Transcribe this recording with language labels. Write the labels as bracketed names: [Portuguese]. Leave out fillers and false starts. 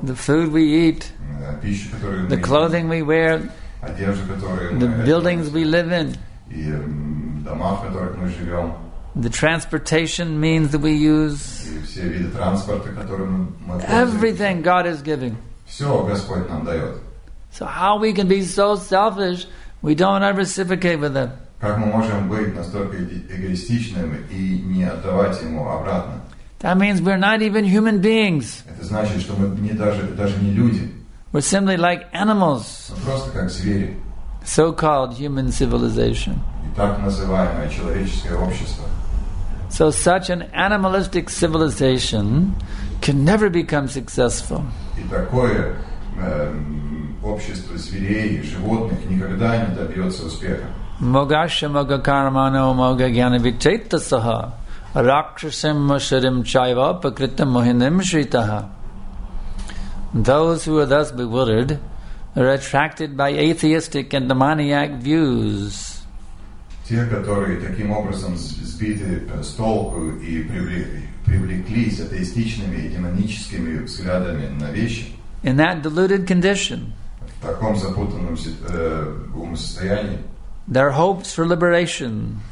[English] The food we eat. [Russian] Пищу, которую мы едим. [English] The clothing we wear. [Russian] Одежду, которую мы одеваем. [English] The buildings we live in. [Russian] И дома, в которых мы живем. [English] The transportation means that we use. [Russian] И все виды транспорта, которым мы пользуемся. [English] Everything God is giving. [Russian] Все Господь нам дает. [English] So how we can be so selfish, we don't ever reciprocate with them. [Russian] Как мы можем быть настолько эгоистичными и не отдавать ему обратно? [English] That means we're not even human beings. [Russian] Это значит, что мы не даже не люди. [English] We're simply like animals. [Russian] Мы просто как звери. [English] So-called human civilization. [Russian] И так называемое человеческое общество. [English] So such an animalistic civilization can never become successful. [Russian] И такое общество зверей и животных никогда не добьется успеха. [Sanskrit] Могаша мога кармано мога гьяна вичейта саха ракшасим машарим чайва пакритам мохиним шритаха. [English] Those who are thus bewildered are attracted by atheistic and demoniac views. [Russian] Те, которые таким образом сбиты с толку и привлеклись атеистичными и демоническими взглядами на вещи. [English] In that deluded condition. [Russian] В таком запутанном умосостоянии. [English] Their hopes for liberation.